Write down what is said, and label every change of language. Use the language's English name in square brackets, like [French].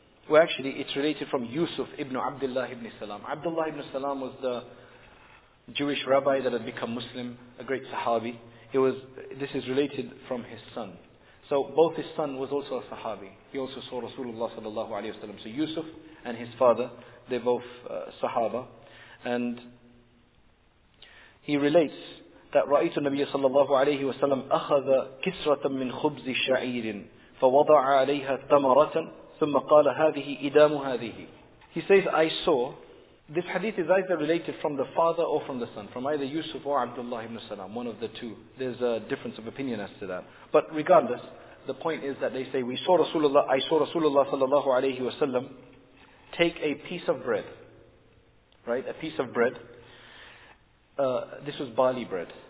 [English] Well, actually, it's related from Yusuf ibn Abdullah ibn Salam. Abdullah ibn Salam was the Jewish rabbi that had become Muslim, a great Sahabi. This is related from his son. So both his son was also a Sahabi. He also saw Rasulullah sallallahu alayhi wa sallam. So Yusuf and his father, they're both Sahaba. And he relates that [Arabic] رأيت النبي صلى الله عليه وسلم أخذ كسرة من خبز شعير فوضع عليها تمرة ثم قال هذه إدام هذه. [English] He says, I saw. This hadith is either related from the father or from the son, from either Yusuf or Abdullah ibn Salam, one of the two. There's a difference of opinion as to that. But regardless, the point is that they say, I saw Rasulullah sallallahu alayhi wa sallam take a piece of bread, right? A piece of bread. This was barley bread.